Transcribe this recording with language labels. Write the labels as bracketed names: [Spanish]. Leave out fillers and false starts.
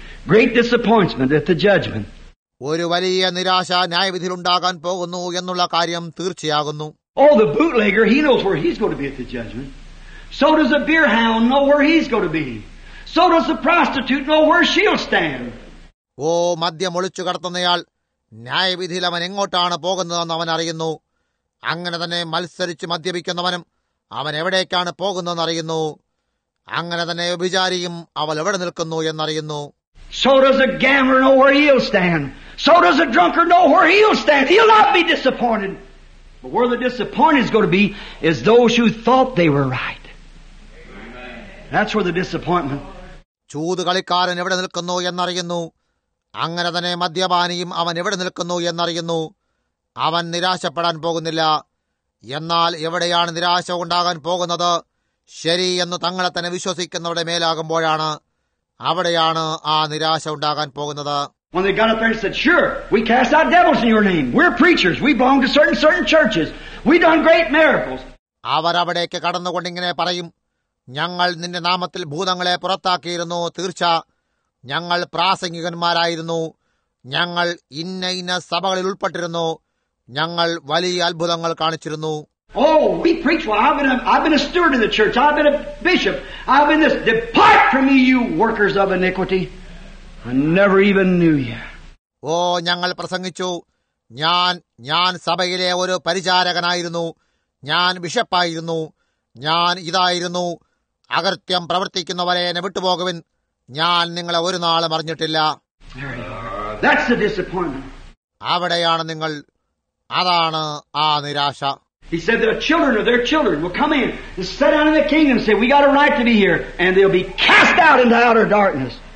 [English] Great disappointment at the judgment. [Malayalam] ഒരു വലിയ നിരാശ ന്യായവിധിയിൽ ഉണ്ടാകാൻ പോകുന്നു എന്നുള്ള കാര്യം തീർച്ചയാകുന്നു. [English] Oh, the bootlegger, he knows where he's going to be at the judgment. So does the beer hound know where he's going to be. So does the prostitute know where she'll stand. [Malayalam] ഓ മദ്യം ഒളിച്ചു കടത്തുന്നയാൾ ന്യായവിധിയിൽ അവൻ എങ്ങോട്ടാണ് പോകുന്നതെന്ന് അവൻ അറിയുന്നു. അങ്ങനെ തന്നെ മത്സരിച്ച് മദ്യപിക്കുന്നവനും അവൻ എവിടേക്കാണ് പോകുന്നതെന്ന് അറിയുന്നു. അങ്ങനെ തന്നെ വ്യഭിചാരിയും അവൾ എവിടെ നിൽക്കുന്നു എന്നറിയുന്നു. [English] So does a gambler know where he'll stand. So does a drunkard know where he'll stand. He'll not be disappointed. But where the disappointment is going to be is those who thought they were right. Amen. That's where the disappointment. [Malayalam] ചൂത് കളിക്കാരൻ എവിടെ നിൽക്കുന്നു എന്നറിയുന്നു. അങ്ങനെ തന്നെ മദ്യപാനിയും അവൻ എവിടെ നിൽക്കുന്നു എന്നറിയുന്നു. അവൻ നിരാശപ്പെടാൻ പോകുന്നില്ല. എന്നാൽ എവിടെയാണ് നിരാശ ഉണ്ടാകാൻ പോകുന്നത്? ശരി എന്ന് തങ്ങളെ തന്നെ വിശ്വസിക്കുന്നവരുടെ മേലാകുമ്പോഴാണ്. അവിടെയാണ് ആ നിരാശ ഉണ്ടാകാൻ പോകുന്നത്. [English] When they got up there and said, sure, we cast out devils in your name. We're preachers. We belong to certain churches. We've done great miracles. [Malayalam] അവർ അവിടേക്ക് കടന്നുകൊണ്ടിങ്ങനെ പറയും, ഞങ്ങൾ നിന്റെ നാമത്തിൽ ഭൂതങ്ങളെ പുറത്താക്കിയിരുന്നു. തീർച്ച, ഞങ്ങൾ പ്രാസംഗികന്മാരായിരുന്നു. ഞങ്ങൾ ഇന്ന ഇന്ന സഭകളിൽ ഉൾപ്പെട്ടിരുന്നു. ഞങ്ങൾ വലിയ അത്ഭുതങ്ങൾ കാണിച്ചിരുന്നു. [English] Oh, we preach. Well, I've been a steward in the church. I've been a bishop. I've been this. Depart from me, you workers of iniquity. I never even knew you. [Malayalam] Oh, ഞങ്ങള് പ്രസംഗിച്ചു. ഞാൻ സഭയിലെ ഒരു പരിചാരകനായിരുന്നു. ഞാൻ ബിഷപ്പായിരുന്നു. ഞാൻ ഇതായിരുന്നു. അകൃത്യം പ്രവർത്തിക്കുന്നവരെ എന്നെ വിട്ടുപോകുവിൻ. ഞാൻ നിങ്ങളെ ഒരു നാളും അറിഞ്ഞിട്ടില്ല. [English] That's the disappointment. [Malayalam] അവിടെയാണ് നിങ്ങൾ. അതാണ് ആ നിരാശ. [English] He said that children or their children will come in and sit down in the kingdom and say, we got a right to be here, and they'll be cast out into outer darkness.